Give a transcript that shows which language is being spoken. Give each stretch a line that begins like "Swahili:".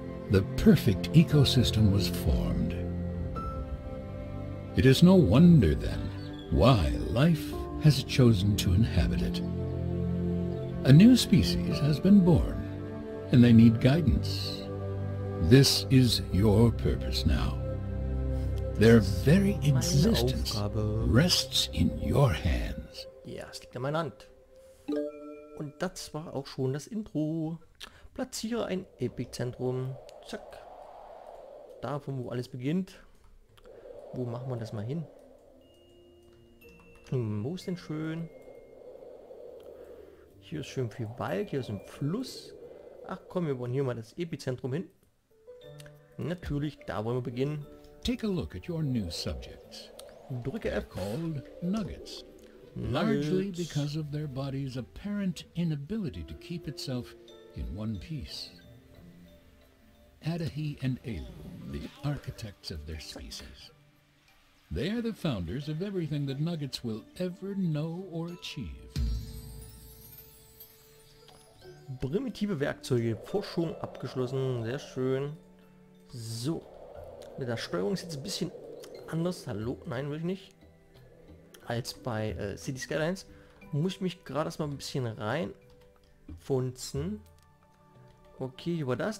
English: The perfect ecosystem was formed. It is no wonder, then, why life has chosen to inhabit it. A new species has been born, and they need guidance. This is your purpose now. Their very existence rests in your hands.
German: Ja, es liegt an meiner Hand. Und das war auch schon das Intro. Platziere ein Epizentrum. Zack. Da, von wo alles beginnt. Wo machen wir das mal hin? Wo ist denn schön? Hier ist schön viel Wald, hier ist ein Fluss. Ach komm, wir bauen hier mal das Epizentrum hin. Natürlich, da wollen wir beginnen.
English: Take a look at your new subjects.
German: Drücke F.
English: Called Nuggets. Largely because of their body's apparent inability to keep itself in one piece. Adahi and Elu, the architects of their species. They are the founders of everything that Nuggets will ever know or achieve.
German: Primitive Werkzeuge, Forschung abgeschlossen, sehr schön. So, mit der Steuerung ist jetzt ein bisschen anders, hallo, nein, will ich nicht. Als bei Cities Skylines muss ich mich gerade erstmal ein bisschen reinfunzen. Okay, hier war das.